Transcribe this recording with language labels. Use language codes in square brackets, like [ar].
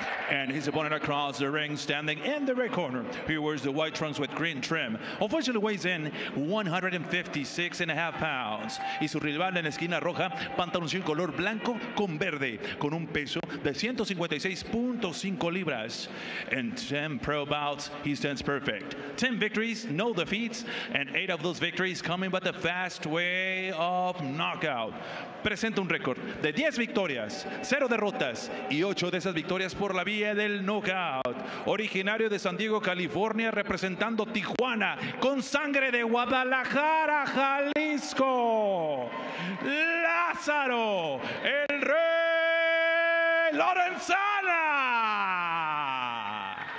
[en] And his opponent across the ring, standing in the red corner. He wears the white trunks with green trim. Officially weighs in 156 and a half pounds. [es] Y su rival en esquina roja, pantaloncillo color blanco con verde, con un peso de 156.5 libras. [en] In 10 pro bouts, he stands perfect. 10 victories, no defeats, and 8 of those victories coming by the fast way of knockout. [es] Presenta un récord de 10 victorias, 0 derrotas y 8 de esas victorias por la vía del knockout. Originario de San Diego, California, representando Tijuana con sangre de Guadalajara, Jalisco. Lázaro, el Rey Lorenzana.